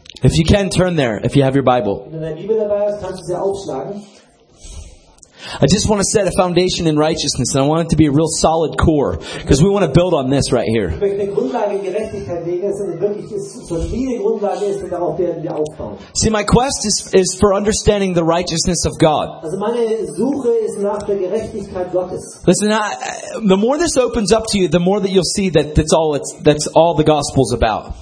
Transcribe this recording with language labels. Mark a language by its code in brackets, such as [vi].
[en] if you can turn there, if you have your Bible, [de] wenn du deine Bibel dabei hast, kannst du sie aufschlagen. [en] I just want to set a foundation in righteousness, and I want it to be a real solid core, because we want to build on this right here. See, my quest is for understanding the righteousness of God. Listen, the more this opens up to you, the more that you'll see that that's all the gospel's about.